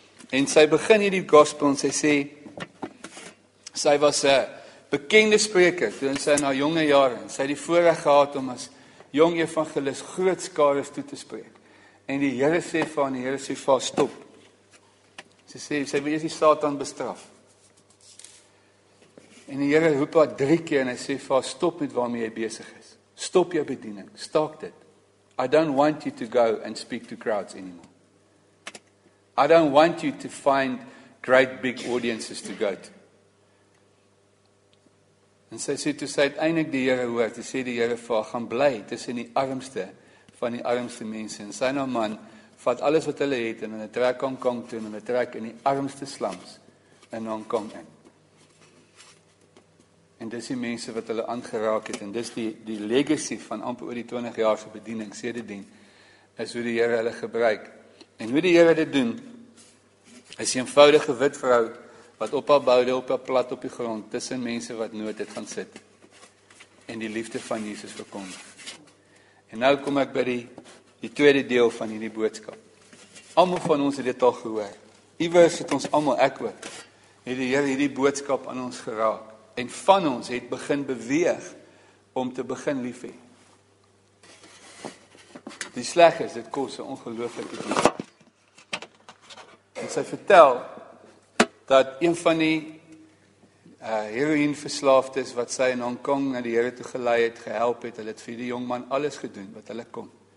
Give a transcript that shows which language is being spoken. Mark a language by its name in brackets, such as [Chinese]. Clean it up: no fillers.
[Afrikaans] En sy begin hierdie gospel en sy sê, sy was 'n bekende spreker, toe sy in haar jonge jare, sy het die voorreg gehad om as jong evangelist groot skares toe te spreek. En die Here sê vir haar, die Here sê vir haar, stop. Sy sê, sy wil eers die Satan bestraf. En die Here roep haar 3 keer en hy sê vir haar, stop met waarmee jy besig is. Stop jou bediening, staak dit. [English] I don't want you to go and speak to crowds anymore. I don't want you to find great big audiences to go to. [Afrikaans] En sy sê, toe sy uiteindelijk die Here hoor, toe sê die Here vir haar, gaan bly tussen die armste van die armste mense. En sy nou man, vat alles wat hulle het, en hulle trek Hong Kong toe, en hulle trek in die armste slums in Hong Kong in. En dis die mense wat hulle aangeraak het, en dis die legacy van amper oor die 20 jaar se bediening, sedertdien, is hoe die Here hulle gebruik. En hoe die Here dit doen, is die eenvoudige wit vrou, wat op haar boude, op haar plat, op die grond, tussen mense wat nood het gaan sit, en die liefde van Jesus verkondig. En nou kom ek by die tweede deel van hierdie boodskap. Almal van ons het dit al gehoor. Iewers het ons almal, ek ook, het die Here hierdie boodskap aan ons geraak. En van ons het begin beweeg om te begin lief hê. Die sleg is, dit kos 'n ongelooflike diep. En sy vertel dat een van die heroïnverslaafdes wat sy in Hong Kong na die Here toe gelei het, gehelp het, hulle het vir die jong man alles gedoen wat hulle kon.